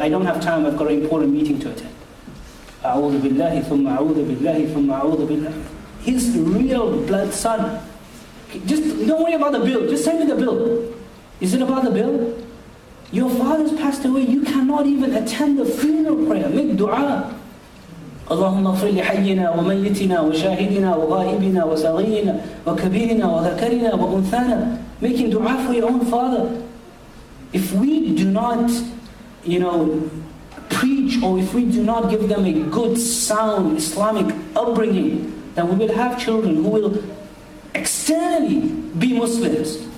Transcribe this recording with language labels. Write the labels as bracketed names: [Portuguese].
[English] I don't have time, I've got an important meeting to attend. [Arabic] A'udhu billahi thumma a'udhu billahi [English] thumma a'udhu billahi. His real blood son. Just don't worry about the bill. Just send me the bill. Is it about the bill? Your father's passed away. You cannot even attend the funeral prayer. Make dua. [Arabic] اللهم اغفر لحينا وميتنا وشاهدنا وغائبنا وصغيرنا وكبيرنا وذكرنا وأنثانا. [English] Making dua for your own father. If we do not, you know, preach, or if we do not give them a good, sound Islamic upbringing, then we will have children who will externally be Muslims.